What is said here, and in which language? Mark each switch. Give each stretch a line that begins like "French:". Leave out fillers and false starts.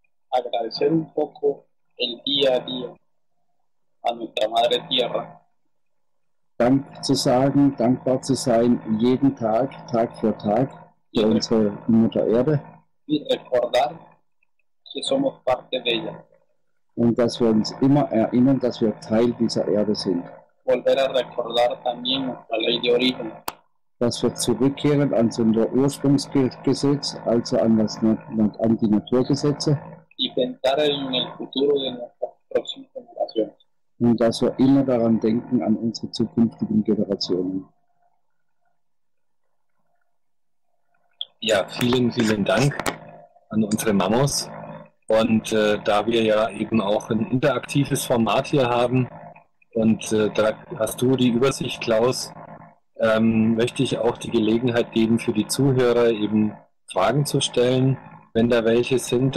Spanish: Agradecer un poco el día a día a nuestra madre tierra.
German: Dank zu sagen, dankbar zu sein, jeden Tag, Tag für Tag, für unsere Mutter Erde.
Spanish: Y recordar que somos parte de ella.
German: Und dass wir uns immer erinnern, dass wir Teil dieser Erde sind.
Spanish: Volver a recordar también nuestra ley de origen.
German: Dass wir zurückkehren an unser Ursprungsgesetz, also an das, an die Naturgesetze.
Spanish: Y pensar en el futuro de nuestras próximas generaciones.
German: Und dass wir immer daran denken, an unsere zukünftigen Generationen. Ja, vielen, vielen Dank an unsere Mamos. Und da wir ja eben auch ein interaktives Format hier haben, und da hast du die Übersicht, Klaus, möchte ich auch die Gelegenheit geben, für die Zuhörer eben Fragen zu stellen, wenn da welche sind.